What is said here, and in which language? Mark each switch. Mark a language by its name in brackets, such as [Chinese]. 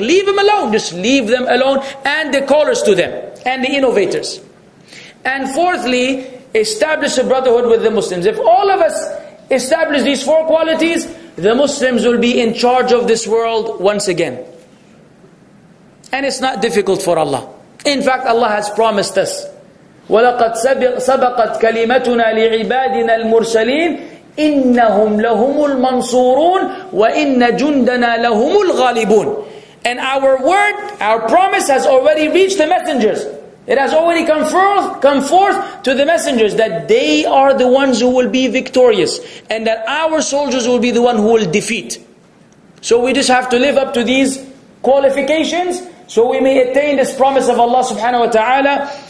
[English] Leave them alone, just leave them alone, and the callers to them, and the innovators. And fourthly, establish a brotherhood with the Muslims. If all of us establish these four qualities, the Muslims will be in charge of this world once again. And it's not difficult for Allah. In fact, Allah has promised us, [Arabic] وَلَقَدْ سَبَقَتْ كَلِمَتُنَا لِعِبَادِنَا الْمُرْسَلِينَ إِنَّهُمْ لَهُمُ الْمَنْصُورُونَ وَإِنَّ جُنْدَنَا لَهُمُ الْغَالِبُونَ. [English] And our word, our promise has already reached the messengers. It has already come forth to the messengers that they are the ones who will be victorious and that our soldiers will be the one who will defeat. So we just have to live up to these qualifications so we may attain this promise of Allah subhanahu wa ta'ala.